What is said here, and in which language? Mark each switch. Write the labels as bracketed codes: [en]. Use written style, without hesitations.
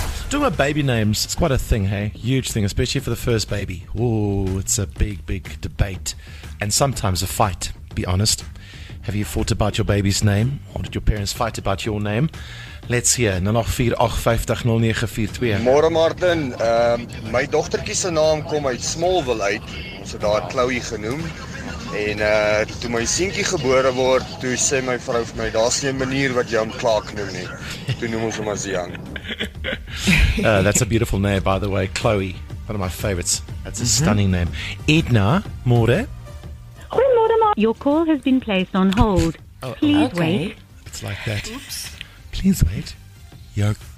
[en] Talking about baby names, it's quite a thing, hey? Huge thing, especially for the first baby. Ooh, it's a big, big debate. And sometimes a fight, be honest. Have you fought about your baby's name? Or did your parents fight about your name? Let's hear. 084-850-0942. [af] Môre, Martin. My dochterkie se naam kom uit Smallville uit. Ons het daar Chloe genoem. En toe my seentjie gebore word, toe sê my vrou vir my, daar's nie 'n manier wat jy hom Clark noem nie. Toe noem ons hom as Young. [en] That's a beautiful name, by the way. Chloe, one of my favorites. That's a stunning name. Edna, môre. [af] Goeiemôre, ma. [en] Your call has been placed on hold. Please wait. It's like that. Oops. Please wait. Yo.